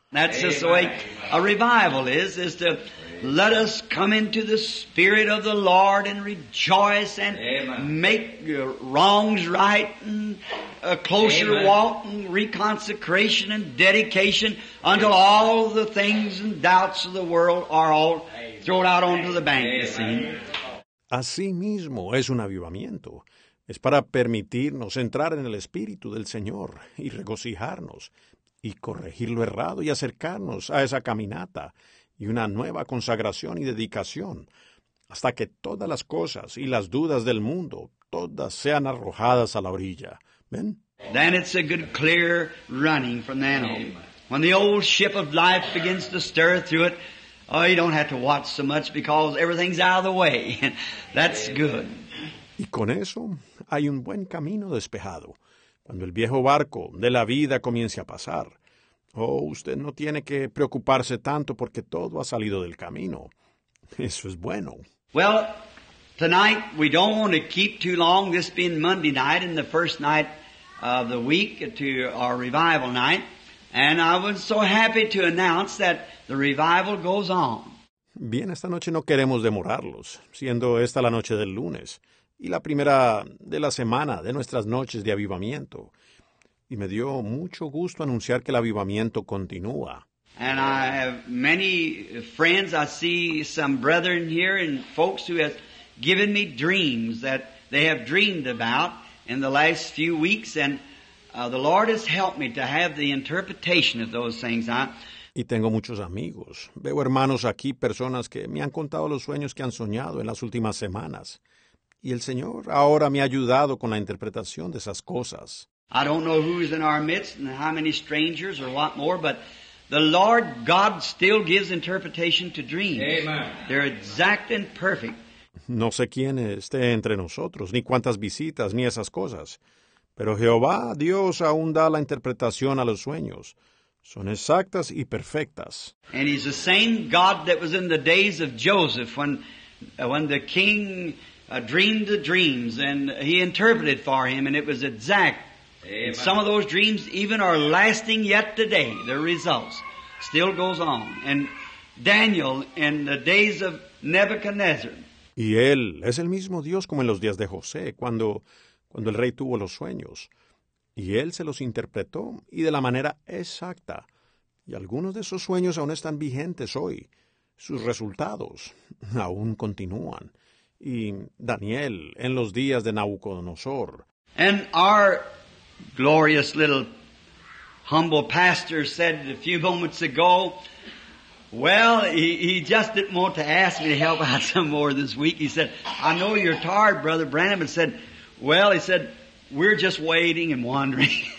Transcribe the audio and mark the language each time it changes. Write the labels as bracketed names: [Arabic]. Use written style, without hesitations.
[English] That's just the way a revival is to let us come into the Spirit of the Lord and rejoice and make wrongs right and a closer walk and reconsecration and dedication until all the things and doubts of the world are all thrown out onto the bank. [Spanish] Así mismo es un avivamiento. Es para permitirnos entrar en el Espíritu del Señor y regocijarnos y corregir lo errado y acercarnos a esa caminata y una nueva consagración y dedicación hasta que todas las cosas y las dudas del mundo todas sean arrojadas a la orilla. ¿Ven? [English] Then it's a good clear running from then on. When the old ship of life begins to stir through it, you don't have to watch so much because everything's out of the way. That's good. [Spanish] Y con eso hay un buen camino despejado. Cuando el viejo barco de la vida comience a pasar, usted no tiene que preocuparse tanto porque todo ha salido del camino. Eso es bueno. [English] Well, tonight we don't want to keep too long, this being Monday night and the first night of the week to our revival night. And I was so happy to announce that the revival goes on. [Spanish] Bien, esta noche no queremos demorarlos, siendo esta la noche del lunes y la primera de la semana de nuestras noches de avivamiento. Y me dio mucho gusto anunciar que el avivamiento continúa. [English] And I have many friends. I see some brethren here and folks who have given me dreams that they have dreamed about in the last few weeks. And The Lord has helped me to have the interpretation of those things. [Spanish] Y tengo muchos amigos. Veo hermanos aquí, personas que me han contado los sueños que han soñado en las últimas semanas. Y el Señor ahora me ha ayudado con la interpretación de esas cosas. [English] I don't know who's in our midst and how many strangers or what more, but the Lord God still gives interpretation to dreams. Amen. They're exact and perfect. [Spanish] No sé quién esté entre nosotros, ni cuántas visitas, ni esas cosas. Pero Jehová, Dios, aún da la interpretación a los sueños. Son exactas y perfectas. [English] And he's the same God that was in the days of Joseph when the king dreamed the dreams and he interpreted for him and it was exact. Amen. Some of those dreams even are lasting yet today. The results still goes on. And Daniel in the days of Nebuchadnezzar. [Spanish] Y él es el mismo Dios como en los días de José, cuando el rey tuvo los sueños. Y él se los interpretó y de la manera exacta. Y algunos de esos sueños aún están vigentes hoy. Sus resultados aún continúan. Y Daniel en los días de Nabucodonosor. [English] And our glorious little humble pastor said a few moments ago, well, he just didn't want to ask me to help out some more this week. He said, I know you're tired, Brother Branham. And said, well, he said, we're just waiting and wandering.